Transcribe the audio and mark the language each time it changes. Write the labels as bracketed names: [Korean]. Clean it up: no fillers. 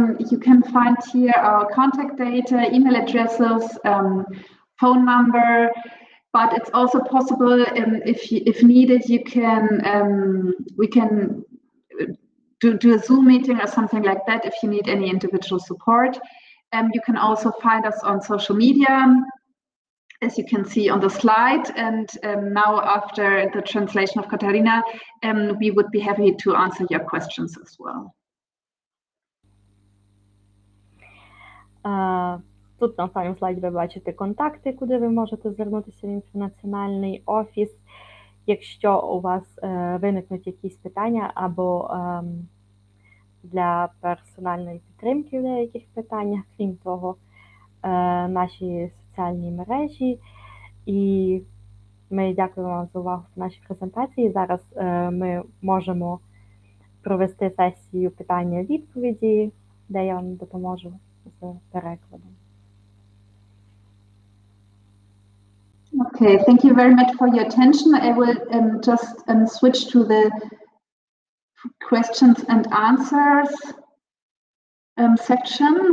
[English] You can find here our contact data, email addresses, phone number, but it's also possible if needed you can we can do a Zoom meeting or something like that if you need any individual support. You can also find us on social media, as you can see on the slide. And now, after the translation of Katarina, we would be happy to answer your questions as well. [Ukrainian] Тут на останньому слайді ви бачите контакти, куди ви можете звернутися в інтернаціональний офіс, якщо у вас виникнуть якісь питання або для персональної підтримки в деяких питаннях, крім того, наші соціальні мережі. І ми дякуємо вам за увагу в нашій презентації. Зараз ми можемо провести сесію питання-відповіді, де я вам допоможу з перекладом. [English] Okay, thank you very much for your attention. I will just switch to the questions and answers section.